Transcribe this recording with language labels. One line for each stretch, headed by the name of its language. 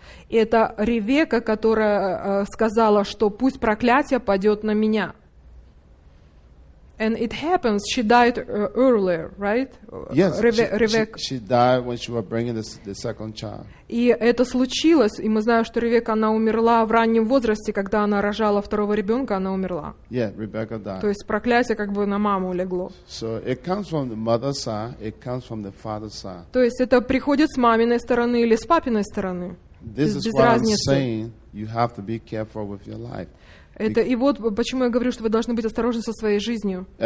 Russian: Это Ревека, которая сказала, что пусть проклятие падет на меня.
English: And it happens, she died earlier, right? Yes, she died when she was bringing the second child.
Russian: И это случилось, и мы знаем, что Ревека, она умерла в раннем возрасте, когда она рожала второго ребенка, она умерла.
English: Yeah, Rebecca died.
Russian: То есть проклятие как бы на маму легло.
English: So it comes from the mother's side, it comes from the father's side.
Russian: То есть это приходит с маминой стороны или с папиной стороны.
English: This is why I'm saying you have to be careful with your life.
Russian: Это, и вот почему я говорю, что вы должны быть осторожны со своей жизнью.